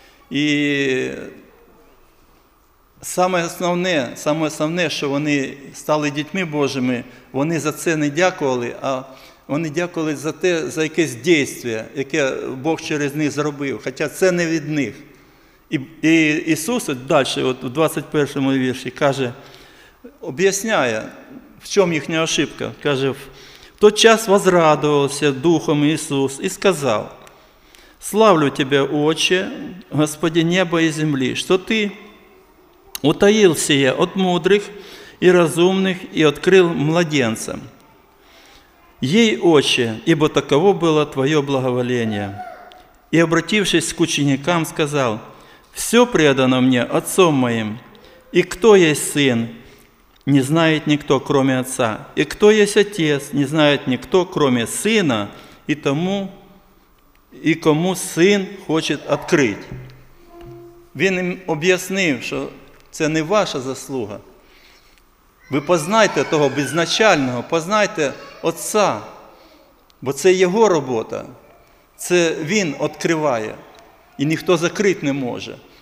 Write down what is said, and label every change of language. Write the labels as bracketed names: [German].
[Ukrainian] І саме основне, що вони стали дітьми Божими, вони за це не дякували, а вони дякували за те, за якесь дійство, яке Бог через них зробив, хоча це не від них. І Ісус далі, от у 21-му вірші, каже, об'ясняє, в чому їхня ошибка, каже, [Russian] в тот час возрадовался Духом Иисус и сказал, «Славлю Тебя, Отче, Господи, неба и земли, что Ты утаил сие от мудрых и разумных и открыл младенцам. Ей, Отче, ибо таково было Твое благоволение». И, обратившись к ученикам, сказал, «Все предано мне Отцом Моим, и кто есть Сын, не знает никто, кроме Отца. И кто есть Отец, не знает никто, кроме Сына, и тому, и кому Сын хочет открыть». [Ukrainian] Він їм об'яснив, що це не ваша заслуга. Ви познайте того безначального, познайте Отця, бо це Його робота. Це Він відкриває, і ніхто закрити не може.